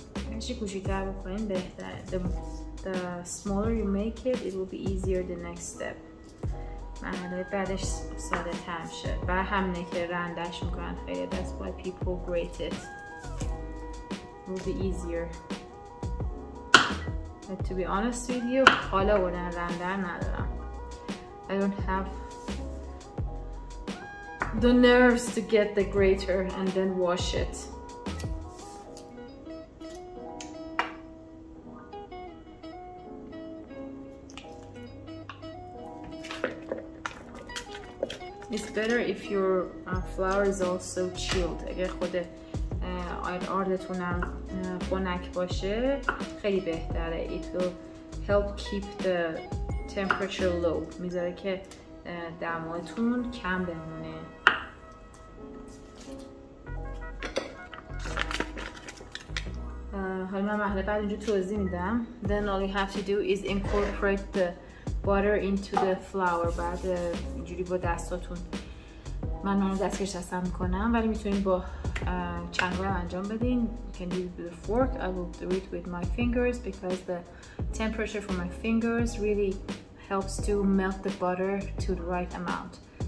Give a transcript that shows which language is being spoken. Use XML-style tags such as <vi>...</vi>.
<fa>بهش کوچیک‌تر بکنیم بهتره.</fa> <en>The smaller you make it, it will be easier the next step.</en> <fa>مرحله بعدش ساده تر میشه. برای همینه که رندش میکنن خیلی.</fa> <en>That's why people grate it. Will be easier. But to be honest with you,</en> <fa>حالا بودن رندر ندارم.</fa> <en>I don't have the nerves to get the grater and then wash it. It's better if your flour is also chilled.</en> <fa>اگر خود آردتونم خنک باشه خیلی بهتره.</fa> <en>It will help keep the temperature low.</en> <fa>میذاره که دماتون کم بمونه. حالا من مرحله بعد اینجا توضیح میدم.</fa> <en>Then all you have to do is incorporate the water into the flour.</en> <fa>بعد اینجوری با دستاتون من دستکش دستم میکنم، ولی میتونید با چنگرم انجام بدین.</fa> <en>You can do it with a fork. I will do it with my fingers because the temperature from my fingers really helps to melt the butter to the right amount.</en>